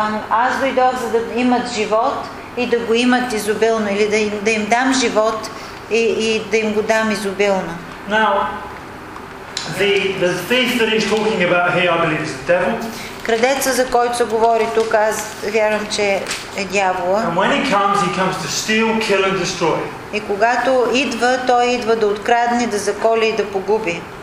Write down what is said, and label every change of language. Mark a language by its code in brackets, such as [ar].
[bg] Аз дойдох за да имат живот и да го имат изобилно, или да им дам живот и да им го дам изобилно. [en] Now, The thief that he's talking about here, I believe, is the devil. [bg] Крадецът, за който се говори тук, аз вярвам, че е дявола. [en] And when he comes to steal, kill and destroy. [bg] И когато идва, той идва да открадне, да заколи и да погуби.